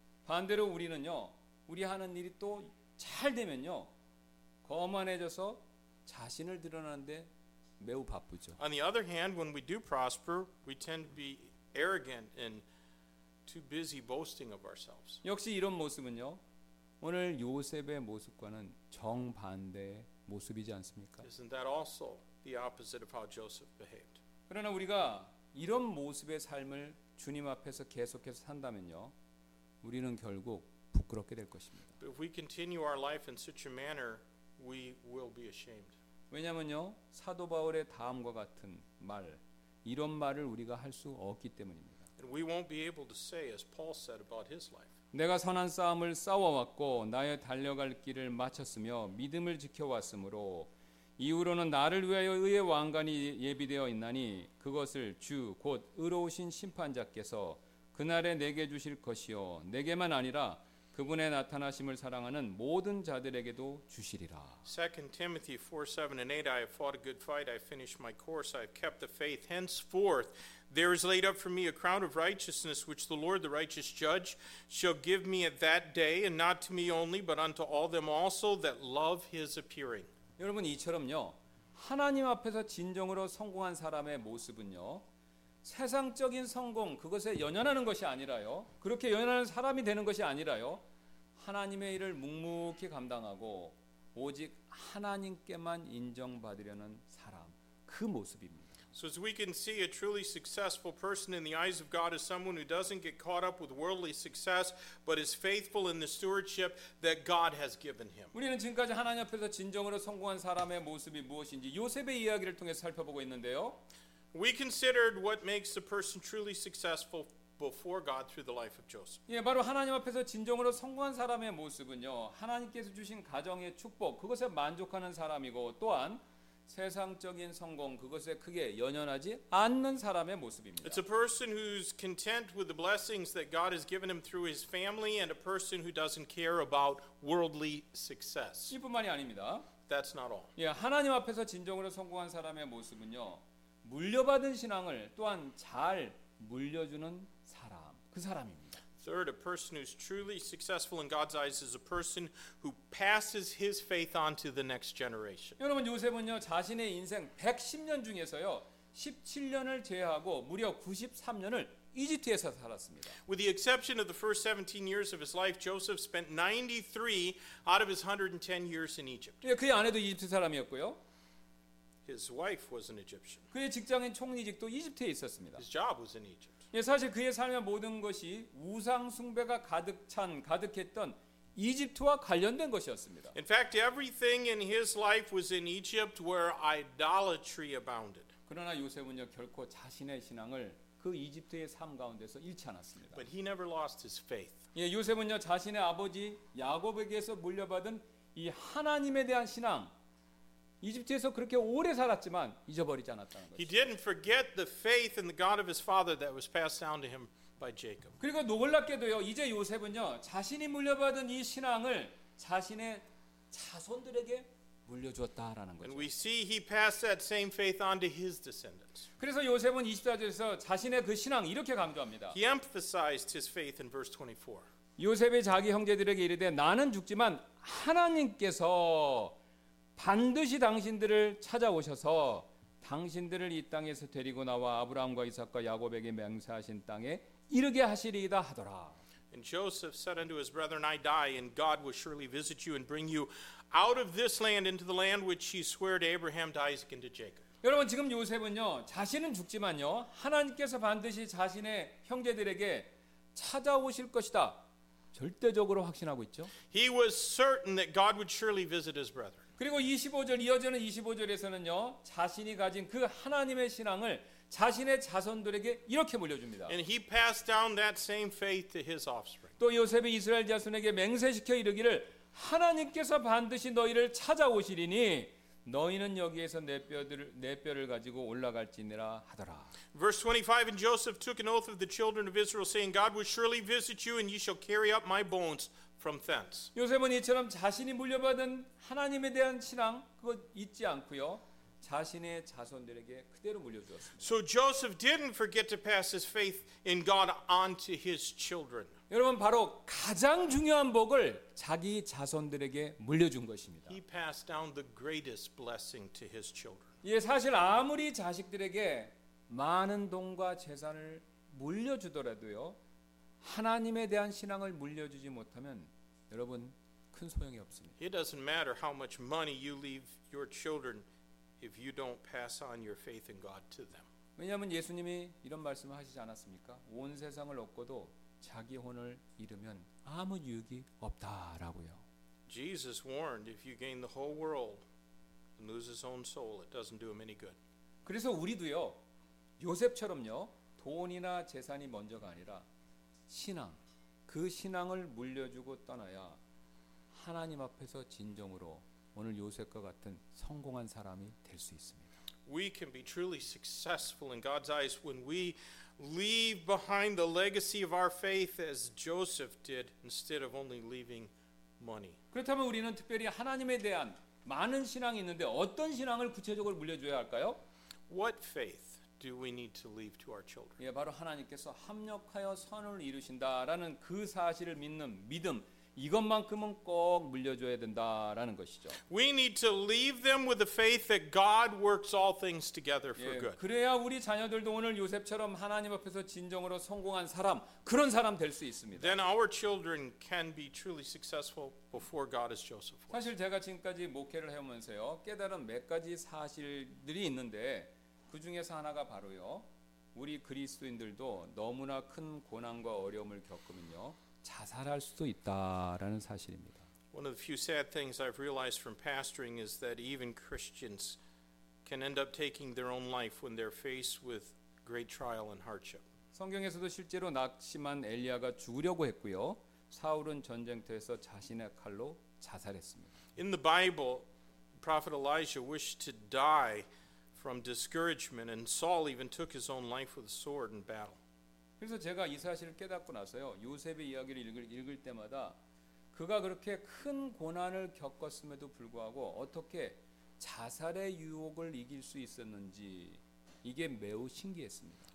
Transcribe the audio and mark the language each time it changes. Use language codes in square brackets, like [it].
[ko] 반대로 우리는요 우리 하는 일이 또 잘 되면요 거만해져서 자신을 드러나는데 매우 바쁘죠. [en] On the other hand, when we do prosper, we tend to be arrogant and too busy boasting of ourselves. [ko] 역시 이런 모습은요 오늘 요셉의 모습과는 정반대의 모습이지 않습니까? [en] Isn't that also the opposite of how Joseph behaved? [ko] 그러나 우리가 이런 모습의 삶을 주님 앞에서 계속해서 산다면요 우리는 결국 부끄럽게 될 것입니다. [en] But if we continue our life in such a manner, we will be ashamed. [ko] 왜냐면요 사도 바울의 다음과 같은 말 이런 말을 우리가 할 수 없기 때문입니다. [en] And we won't be able to say as Paul said about his life. [ko] 내가 선한 싸움을 싸워왔고 나의 달려갈 길을 마쳤으며 믿음을 지켜왔으므로 이후로는 나를 위하여 의의 왕관이 예비되어 있나니 그것을 주 곧 의로우신 심판자께서 그날에 내게 주실 것이요 내게만 아니라 그분의 나타나심을 사랑하는 모든 자들에게도 주시리라. [en] 2 Timothy 4, 7 and 8 I have fought a good fight. I have finished my course. I have kept the faith. Henceforth there is laid up for me a crown of righteousness which the Lord, the righteous judge, shall give me at that day and not to me only but unto all them also that love his appearing. [ko] 여러분 이처럼요. 하나님 앞에서 진정으로 성공한 사람의 모습은요. 세상적인 성공 그것에 연연하는 것이 아니라요 그렇게 연연하는 사람이 되는 것이 아니라요 하나님의 일을 묵묵히 감당하고 오직 하나님께만 인정받으려는 사람 그 모습입니다. [en] So as we can see a truly successful person in the eyes of God is someone who doesn't get caught up with worldly success but is faithful in the stewardship that God has given him. [ko] 우리는 지금까지 하나님 앞에서 진정으로 성공한 사람의 모습이 무엇인지 요셉의 이야기를 통해 살펴보고 있는데요. [en] We considered what makes a person truly successful before God through the life of Joseph. [ko] 예, 바로 하나님 앞에서 진정으로 성공한 사람의 모습은요. 하나님께서 주신 가정의 축복, 그것에 만족하는 사람이고 또한 세상적인 성공, 그것에 크게 연연하지 않는 사람의 모습입니다. [en] It's a person who's content with the blessings that God has given him through his family and a person who doesn't care about worldly success. [ko] 이뿐만이 아닙니다. [en] That's not all. [ko] 예, 하나님 앞에서 진정으로 성공한 사람의 모습은요. 물려받은 신앙을 또한 잘 물려주는 사람, 그 사람입니다. [en] Third, a person who's truly successful in God's eyes is a person who passes his faith on to the next generation. [ko] 여러분 요셉은요 자신의 인생 110년 중에서요 17년을 제외하고 무려 93년을 이집트에서 살았습니다. [en] With the exception of the first 17 years of his life, Joseph spent 93 out of his 110 years in Egypt. [ko] 예, 그의 아내도 이집트 사람이었고요. [en] His wife was an Egyptian. [ko] 그의 직장인 총리직도 이집트에 있었습니다. [en] His job was in Egypt. [ko] 예, 사실 그의 삶의 모든 것이 우상 숭배가 가득 찬 가득했던 이집트와 관련된 것이었습니다. [en] In fact, everything in his life was in Egypt where idolatry abounded. [ko] 그러나 요셉은요 결코 자신의 신앙을 그 이집트의 삶 가운데서 잃지 않았습니다. [en] But he never lost his faith. [ko] 예, 요셉은요 자신의 아버지 야곱에게서 물려받은 이 하나님에 대한 신앙 이집트에서 그렇게 오래 살았지만 잊어버리지 않았다는 거죠. [en] He didn't forget the faith in the God of his father that was passed down to him by Jacob. [ko] 그리고 놀랍게도요. 이제 요셉은요. 자신이 물려받은 이 신앙을 자신의 자손들에게 물려주었다라는 거죠. [en] And we see he passed that same faith on to his descendants. [ko] 그래서 요셉은 24절에서 자신의 그 신앙 이렇게 강조합니다. [en] He emphasized his faith in verse 24. [ko] 요셉이 자기 형제들에게 이르되 나는 죽지만 하나님께서 반드시 당신들을 찾아오셔서 당신들을 이 땅에서 데리고 나와 아브라함과 이삭과 야곱에게 맹세하신 땅에 이르게 하시리이다 하더라. [en] And Joseph said unto his brethren, I die, and God will surely visit you and bring you out of this land into the land which he swore to Abraham, to Isaac, and to Jacob. [ko] 여러분 지금 요셉은요 자신은 죽지만요 하나님께서 반드시 자신의 형제들에게 찾아오실 것이다 절대적으로 확신하고 있죠. [en] He was certain that God would surely visit his brethren. [ko] 그리고 25절 이어지는 25절에서는요 자신이 가진 그 하나님의 신앙을 자신의 자손들에게 이렇게 물려줍니다. [en] And he passed down that same faith to his offspring. [ko] 또 요셉이 이스라엘 자손에게 맹세시켜 이르기를 하나님께서 반드시 너희를 찾아오시리니 너희는 여기에서 내 뼈를 가지고 올라갈지니라 하더라. [en] Verse 25 And Joseph took an oath of the children of Israel saying God will surely visit you and ye shall carry up my bones from thence. [ko] 요셉은 이처럼 자신이 물려받은 하나님에 대한 신앙 그거 잊지 않고요. 자신의 자손들에게 그대로 물려주었습니다. [en] So Joseph didn't forget to pass his faith in God onto his children. [ko] 여러분 바로 가장 중요한 복을 자기 자손들에게 물려준 것입니다. [en] He passed down the greatest blessing to his children. [ko] 예, 사실 아무리 자식들에게 많은 돈과 재산을 물려주더라도요. 하나님에 대한 신앙을 물려주지 못하면 여러분 큰 소용이 없습니다. [en] It doesn't matter how much money you leave your children if you don't pass on your faith in God to them. [ko] 왜냐하면 예수님이 이런 말씀을 하시지 않았습니까? 온 세상을 얻고도 자기 혼을 잃으면 아무 유익이 없다라고요. [en] Jesus warned if you gain the whole world and lose his own soul it doesn't do him any good. [ko] 그래서 우리도요. 요셉처럼요. 돈이나 재산이 먼저가 아니라 신앙 그 신앙을 물려주고 떠나야 하나님 앞에서 진정으로 오늘 요셉과 같은 성공한 사람이 될 수 있습니다. [en] We can be truly successful in God's eyes when we leave behind the legacy of our faith as Joseph did instead of only leaving money. [ko] 그렇다면 우리는 특별히 하나님에 대한 많은 신앙이 있는데 어떤 신앙을 구체적으로 물려줘야 할까요? [en] What faith do we need to leave to our children? [ko] 예, 바로 하나님께서 합력하여 선을 이루신다라는 그 사실을 믿는 믿음 이것만큼은 꼭 물려줘야 된다라는 것이죠. [en] We need to leave them with the faith that God works all things together for good. [ko] 그래야 우리 자녀들도 오늘 요셉처럼 하나님 앞에서 진정으로 성공한 사람, 그런 사람 될 수 있습니다. [en] Then our children can be truly successful before God as Joseph was. [ko] 사실 제가 지금까지 목회를 해오면서요 깨달은 몇 가지 사실들이 있는데 그 중에서 하나가 바로요 우리 그리스도인들도 너무나 큰 고난과 어려움을 겪으면요. 자살할 수도 있다라는 사실입니다. [en] One of the few sad things I've realized from pastoring is that even Christians can end up taking their own life when they're faced with great trial and hardship. [ko] 성경에서도 실제로 낙심한 엘리야가 죽으려고 했고요. 사울은 전쟁터에서 자신의 칼로 자살했습니다. [en] In the Bible, prophet Elijah wished to die from discouragement and Saul even took his own life with a sword in battle. [ko] 그래서 제가 이 사실을 깨닫고 나서요. 요셉의 이야기를 읽을 때마다 그가 그렇게 큰 고난을 겪었음에도 불구하고 어떻게 자살의 유혹을 이길 수 있었는지 이게 매우 신기했습니다.